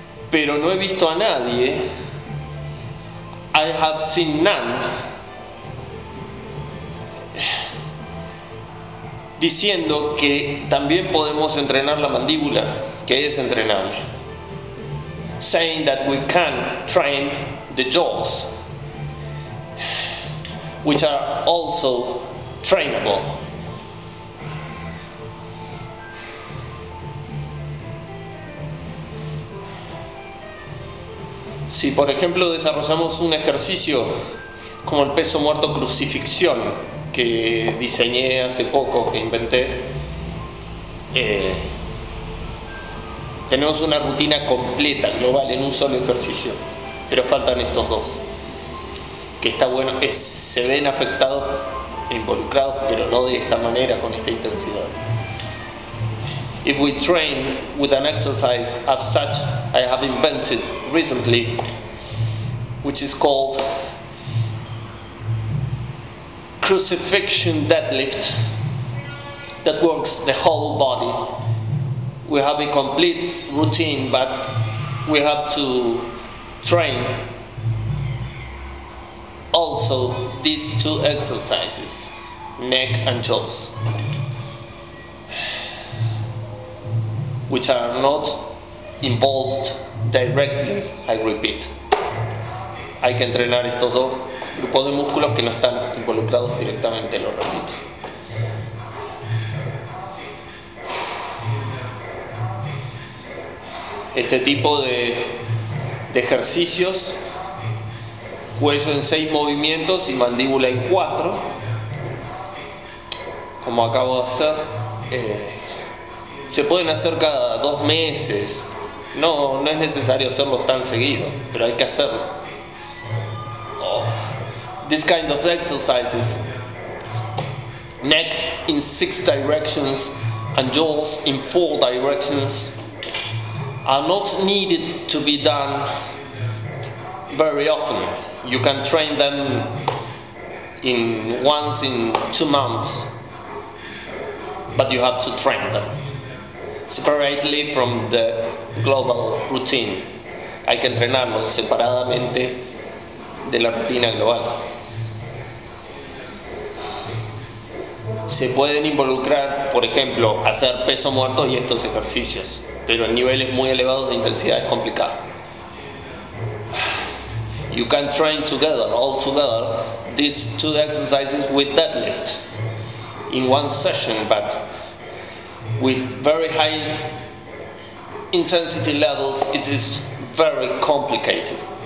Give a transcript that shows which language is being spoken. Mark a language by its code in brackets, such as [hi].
[es] Pero no he visto a nadie. [en] I have seen none. [es] Diciendo que también podemos entrenar la mandíbula, que es entrenable. [en] Saying that we can train the jaws, which are also trainable. [es] Si por ejemplo desarrollamos un ejercicio como el peso muerto crucifixión, que diseñé hace poco, que inventé, tenemos una rutina completa, global, en un solo ejercicio, pero faltan estos dos, que está bueno, se ven afectados e involucrados, pero no de esta manera, con esta intensidad. [en] If we train with an exercise of such I have invented recently, which is called crucifixion deadlift, that works the whole body, we have a complete routine, but we have to train also these two exercises, neck and jaws, which are not involved directly, I repeat. [es] Hay que entrenar estos dos grupos de músculos que no están involucrados directamente, lo repito. Este tipo de ejercicios, cuello en 6 movimientos y mandíbula en 4, como acabo de hacer, se pueden hacer cada 2 meses. No es necesario hacerlo tan seguido, pero hay que hacerlo. [en] This kind of exercises, neck in 6 directions and jaws in 4 directions, are not needed to be done very often. You can train them in once in 2 months, but you have to train them separately from the global routine. [es] Hay que entrenarlos separadamente de la rutina global. Se pueden involucrar, por ejemplo, hacer peso muerto y estos ejercicios, pero en niveles muy elevados de intensidad es complicado. [en] You can train together, all together, these two exercises with deadlift in one session, but with very high intensity levels, it is very complicated.